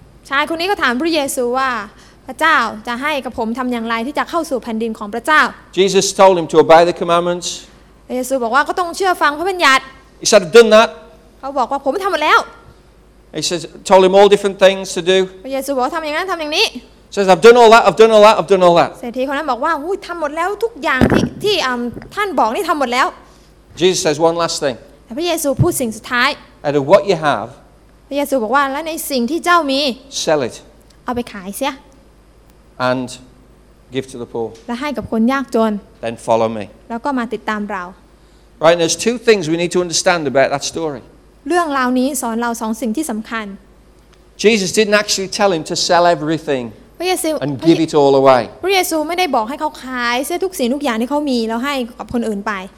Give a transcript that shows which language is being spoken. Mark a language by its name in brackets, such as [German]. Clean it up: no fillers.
[Thai] ชายคนนี้ก็ถามพระเยซูว่าพระเจ้าจะให้กับผมทำอย่างไรที่จะเข้าสู่แผ่นดินของพระเจ้า [English] Jesus told him to obey the commandments. [Thai] พระเยซูบอกว่าก็ต้องเชื่อฟังพระบัญญัติ [English] He said, I've done that. [Thai] เขาบอกว่าผมทำหมดแล้ว [English] He says, told him all different things to do. Jesus said, [Thai] "ทำอย่างนั้นทำอย่างนี้." [English] He says, "I've done all that. I've done all that. I've done all that." [Thai] เศรษฐีคนนั้นบอกว่า "อุ้ยทำหมดแล้วทุกอย่างที่ท่านบอกนี่ทำหมดแล้ว." [English] Jesus says one last thing. [Thai] พระเยซูพูดสิ่งสุดท้าย [English] "Out of what you have." [Thai] พระเยซูบอกว่าและในสิ่งที่เจ้ามี [English] "Sell it." [Thai] เอาไปขายเสีย [English] "And give to the poor." [Thai] และให้กับคนยากจน [English] "Then follow me." [Thai] แล้วก็มาติดตามเรา [English] Right, there's two things we need to understand about that story. [Thai] เรื่องราวนี้สอนเราสองสิ่งที่สำคัญ [English] Jesus didn't actually tell him to sell everything and give it all away [Thai] พระเยซูไม่ได้บอกให้เขาขายเสื้อทุกสิ่งทุกอย่างที่เขามีแล้วให้กับคนอื่นไป